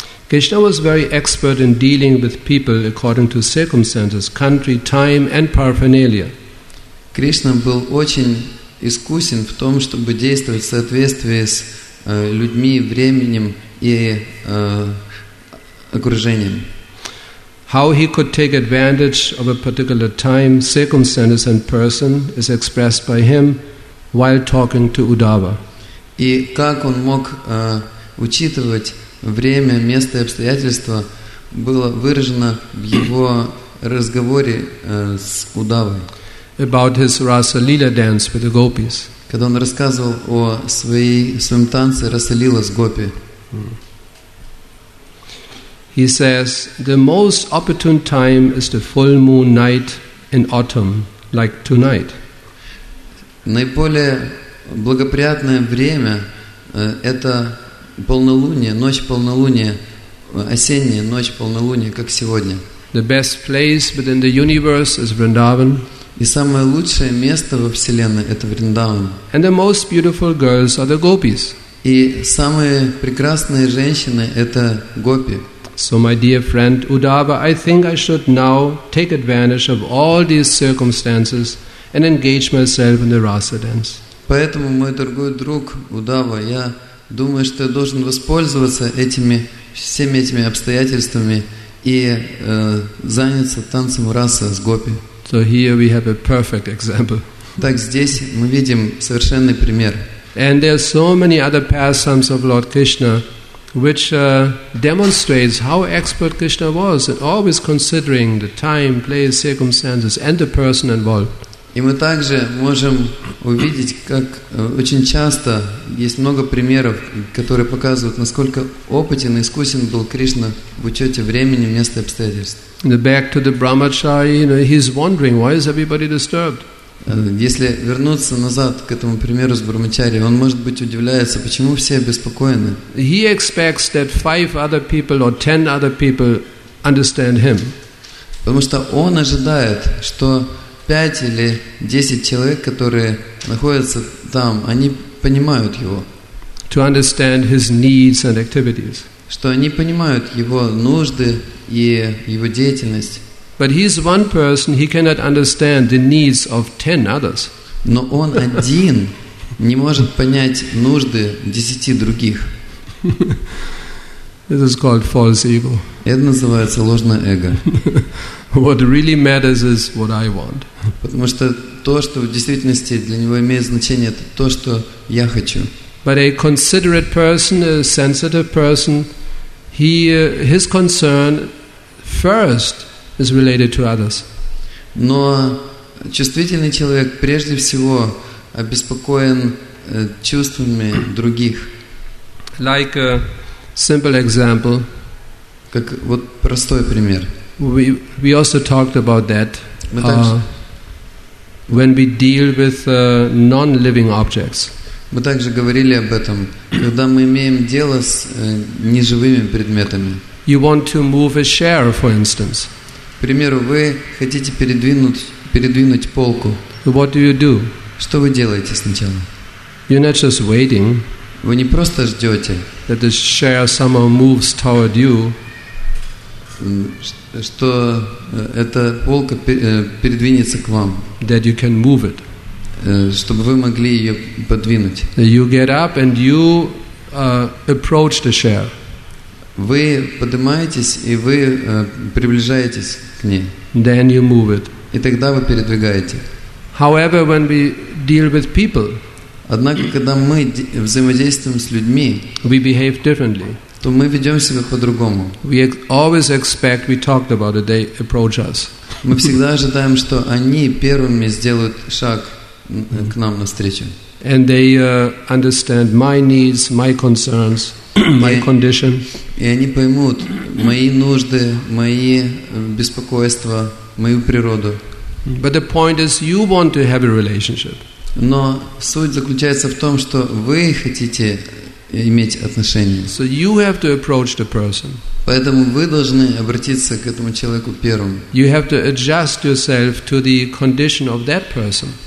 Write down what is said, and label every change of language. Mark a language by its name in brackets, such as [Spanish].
[English] Krishna was very expert in dealing with people according to circumstances, country, time and paraphernalia. [Russian] Кришна был очень искусен в том, чтобы действовать в соответствии с людьми, временем и окружением. [English] How he could take advantage of a particular time, circumstances and person is expressed by him while talking to Uddhava. [Russian] И как он мог учитывать время, место и обстоятельства, было выражено в его разговоре с Удавой. [English] About his Rasa Lila dance with the gopis. [Russian] Когда он рассказывал о своем танце Раса Лила с гопи. [English] He says, the most opportune time is the full moon night in autumn, like tonight. [Russian] Наиболее благоприятное время это полнолуние, ночь полнолуния, осенняя ночь полнолуния, как сегодня. [English] The best place within the universe is Vrindavan. [Russian] И самое лучшее место во Вселенной это Вриндаван. [English] And the most beautiful girls are the gopis. [Russian] И самые прекрасные женщины это гопи. [English] So my dear friend Uddhava, I think I should now take advantage of all these circumstances and engage myself in the rasa dance. [Russian] Поэтому, мой дорогой друг Удава, я думаю, что я должен воспользоваться всеми этими обстоятельствами и заняться танцем раса с гопи. [English] So here we have a perfect example. [Russian] Так здесь мы видим совершенный пример. [English] And there are so many other pastimes of Lord Krishna, which demonstrates how expert Krishna was in always considering the time, place, circumstances, and the person involved. [Russian] И мы также можем увидеть, как очень часто есть много примеров, которые показывают, насколько опытен и искусен был Кришна в учете времени, места и обстоятельств. [English] Back to the Brahmachari, he's wondering, why is everybody disturbed? [Russian] Если вернуться назад к этому примеру с Брахмачари, он, может быть, удивляется, почему все обеспокоены. [English] He expects that five other people or ten other people understand him. [Russian] Потому что он ожидает, что 5 или 10 человек, которые находятся там, они понимают его. [English] To understand his needs and activities. [Russian] Что они понимают его нужды и его деятельность. [English] But he is one person, he cannot understand the needs of 10 others. [Russian] Но он один не может понять нужды 10 других. [English] This is called false ego. [Russian] Это называется ложное эго. [English] What really matters is what I want. [Russian] Потому что то, что в действительности для него имеет значение, это то, что я хочу. [English] But a considerate person, a sensitive person, his concern first is related to others. [Russian] Но чувствительный человек прежде всего обеспокоен чувствами других. [English] Like a simple example. [Russian] Как вот простой пример. [English] We also talked about that. When we deal with non-living objects. [Russian] Мы также говорили об этом, когда мы имеем дело с неживыми предметами. [English] You want to move a chair, for instance. [Russian] К примеру, вы хотите передвинуть полку. [English] What do you do? [Russian] Что вы делаете сначала? [English] You're not just waiting. [Russian] Вы не просто ждете. [English] That the chair somehow moves toward you. [Russian] Что эта полка передвинется к вам. [English] That you can move it. [Russian] Чтобы вы могли ее подвинуть. [English] You get up and you approach the chair. [Russian] Вы поднимаетесь и вы приближаетесь. [English] Then you move it. [Russian] И тогда вы передвигаете. [English] However, when we deal with people, [Russian] однако когда мы взаимодействуем с людьми, [English] we behave differently. [Russian] То мы ведем себя по-другому. [English] We always expect, we talked about it, they approach us. [Russian] Мы всегда ожидаем, что они первыми сделают шаг к нам навстречу. [English] And they understand my needs, my concerns, my condition. [Russian] И они поймут мои нужды, мои беспокойства, мою природу. [English] But the point is, you want to have a relationship. [Russian] Но суть заключается в том, что вы хотите иметь отношения. [English] So you have to approach the person. [Russian] Поэтому вы должны обратиться к этому человеку первым. [English] You have to adjust yourself to the condition of that person.